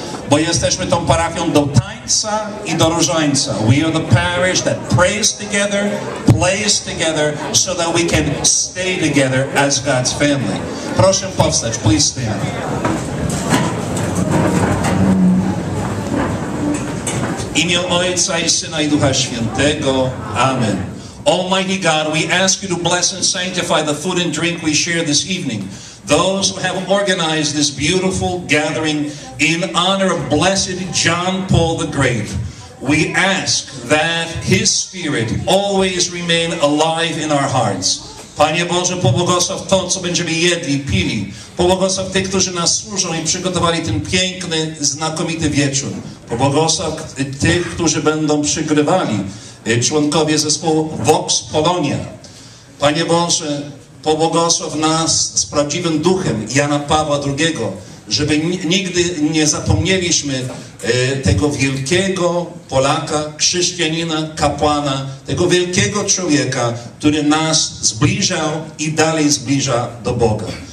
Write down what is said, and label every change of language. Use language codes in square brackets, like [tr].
[pl] Bo jesteśmy tą parafią do tańca i do różańca. [en] We are the parish that prays together, plays together, so that we can stay together as God's family. [pl] Proszę powstać, [en] please stand. [pl] Imię Ojca i Syna i Ducha Świętego. Amen. [en] Almighty God, we ask you to bless and sanctify the food and drink we share this evening. Those who have organized this beautiful gathering in honor of Blessed John Paul the Great, we ask that his spirit always remain alive in our hearts. [pl] Panie Boże, pobłogosław to, co będziemy jedli, pili. Pobłogosław tych, którzy nas służą i przygotowali ten piękny, znakomity wieczór. Pobłogosław tych, którzy będą przygrywali, członkowie zespołu Vox Polonia. Panie Boże, pobłogosław nas z prawdziwym duchem Jana Pawła II, żeby nigdy nie zapomnieliśmy tego wielkiego Polaka, chrześcijanina, kapłana, tego wielkiego człowieka, który nas zbliżał i dalej zbliża do Boga.